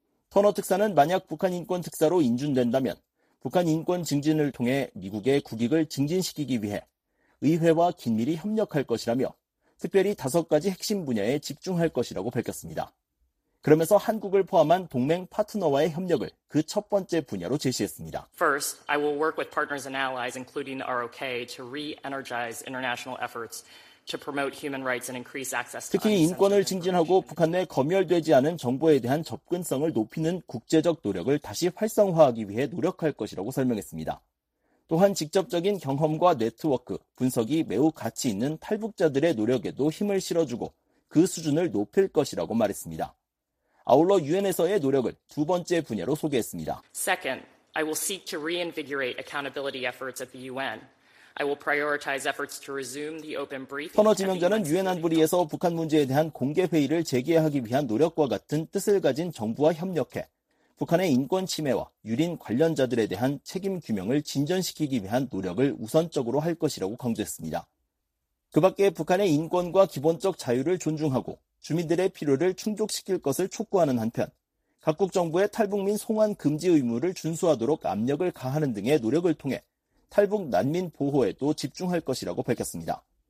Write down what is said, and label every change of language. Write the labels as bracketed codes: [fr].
[ko] 터너 특사는 만약 북한 인권특사로 인준된다면 북한 인권 증진을 통해 미국의 국익을 증진시키기 위해 의회와 긴밀히 협력할 것이라며 특별히 5가지 핵심 분야에 집중할 것이라고 밝혔습니다. 그러면서 한국을 포함한 동맹 파트너와의 협력을 그 첫 번째 분야로 제시했습니다. [en] First, I will work with partners and allies including ROK to re-energize international efforts to promote human rights and increase access to [ko] 특히 인권을 증진하고 북한 내 검열되지 않은 정보에 대한 접근성을 높이는 국제적 노력을 다시 활성화하기 위해 노력할 것이라고 설명했습니다. 또한 직접적인 경험과 네트워크, 분석이 매우 가치 있는 탈북자들의 노력에도 힘을 실어주고 그 수준을 높일 것이라고 말했습니다. 아울러 UN에서의 노력을 두 번째 분야로 소개했습니다. [en] Second, I will seek to reinvigorate accountability efforts at the UN. I will prioritize efforts to resume the open brief. [ko] 터너 지명자는 UN 안보리에서 북한 문제에 대한 공개 회의를 재개하기 위한 노력과 같은 뜻을 가진 정부와 협력해 북한의 인권 침해와 유린 관련자들에 대한 책임 규명을 진전시키기 위한 노력을 우선적으로 할 것이라고 강조했습니다. 그 밖에 북한의 인권과 기본적 자유를 존중하고 주민들의 필요를 충족시킬 것을 촉구하는 한편 각국 정부의 탈북민 송환 금지 의무를 준수하도록 압력을 가하는 등의 노력을 통해 탈북 난민 보호에도 집중할 것이라고 밝혔습니다.